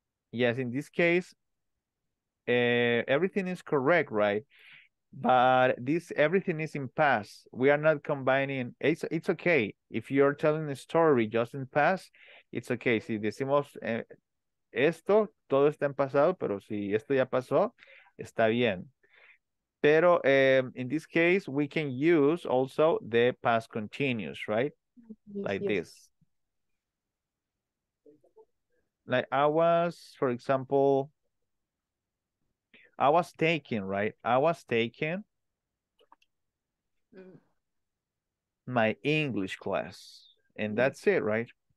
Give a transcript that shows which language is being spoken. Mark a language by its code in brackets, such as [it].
[en] Yes, in this case, everything is correct, right? But this everything is in past. We are not combining. It's okay. If you're telling a story just in past, it's okay. [es] Si decimos esto, todo está en pasado, pero si esto ya pasó, está bien. [en] Pero in this case, we can use also the past continuous, right? Like this. Like I was, for example, I was taking, right? I was taking my English class. And that's it, right?